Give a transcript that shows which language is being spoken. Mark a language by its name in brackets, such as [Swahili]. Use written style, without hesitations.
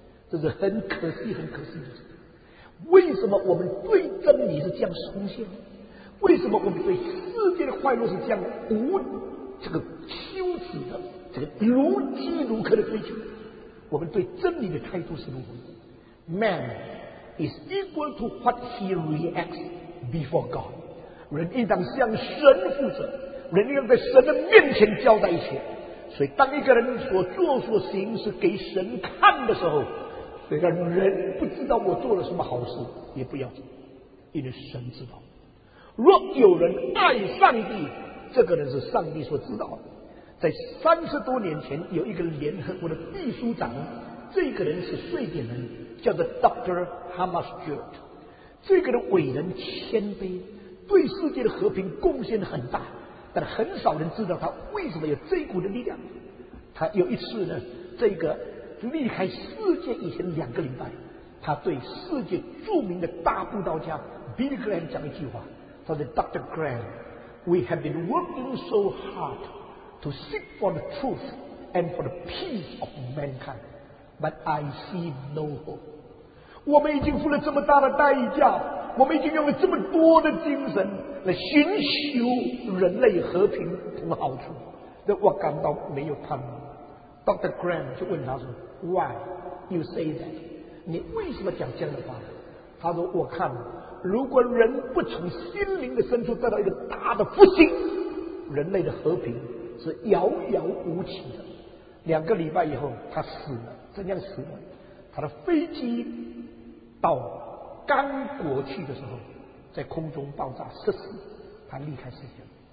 [Chinese] 这是很可惜很可惜的事。为什么我们对真理是这样松懈？为什么我们对世界的快乐是这样无这个羞耻的这个如饥如渴的追求？我们对真理的态度是如何？ [English] Man is equal to what he reacts before God。 [Chinese] 人应当向神负责，人应该在神的面前交代一切，所以当一个人所做所行是给神看的时候，虽然人不知道我做了什么好事，也不要紧，因为神知道。若有人爱上帝，这个人是上帝所知道的。在30多年前，有一个联合国的秘书长，这个人是瑞典人，叫做 Dr. Hammarskjöld。这个人伟人谦卑，对世界的和平贡献很大，但很少人知道他为什么有这股的力量。他有一次呢，这个离开世界以前2个礼拜，他对世界著名的大布道家 Billy Graham 讲一句话，他说 Dr. [English] Graham, We have been working so hard to seek for the truth and for the peace of mankind, but I see no hope. [Chinese] 我们已经付了这么大的代价，我们已经用了这么多的精神来寻求人类和平和好处，但我感到没有盼望。 Dr. Graham 就问他说， [English] Why you say that? [Chinese] 你为什么讲这样的话？他说，我看如果人不从心灵的深处得到一个大的复兴，人类的和平是遥遥无期的。 2个礼拜以后他死了，怎样死了？他的飞机到刚过去的时候在空中爆炸失事，他离开世界。